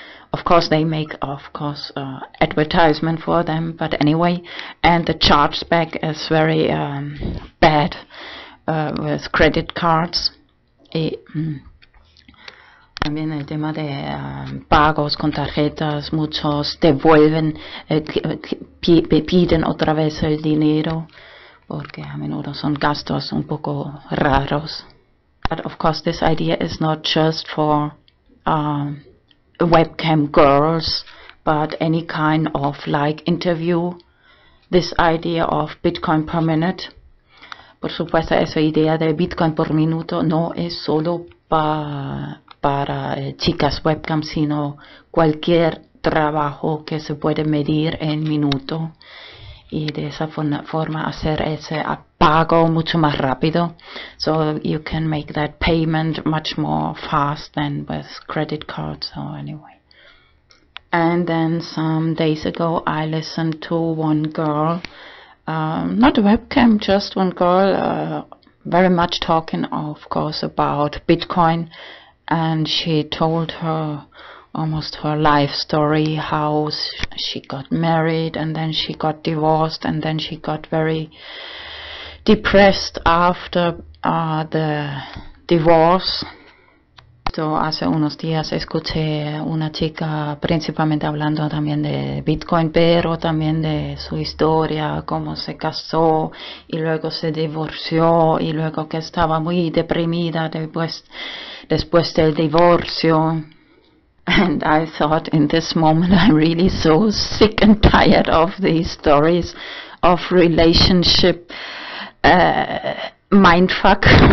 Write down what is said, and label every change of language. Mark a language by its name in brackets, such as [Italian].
[English] Of course, they make, of course, advertisement for them, but anyway, and the chargeback is very bad with credit cards. [Spanish] Y también el tema de pagos con tarjetas, muchos devuelven, piden otra vez el dinero, porque a menudo son gastos un poco raros. [English] But of course, this idea is not just for webcam girls, but any kind of like interview, this idea of Bitcoin per minute. [Spanish] Por supuesto, esa idea de Bitcoin por minuto no es solo para chicas webcam, sino cualquier trabajo que se puede medir en minuto y de esa forma hacer ese pago mucho más rápido. [English] So you can make that payment much more fast than with credit cards or anyway. And then some days ago I listened to one girl, not a webcam, just one girl, very much talking of course about Bitcoin, and she told her almost her life story, how she got married and then she got divorced and then she got very depressed after the divorce. [Spanish] justo hace unos días escuché una chica principalmente hablando también de Bitcoin, pero también de su historia, cómo se casó y luego se divorció y luego que estaba muy deprimida después del divorcio. [English] And I thought in this moment I'm really so sick and tired of these stories of relationship mindfuck.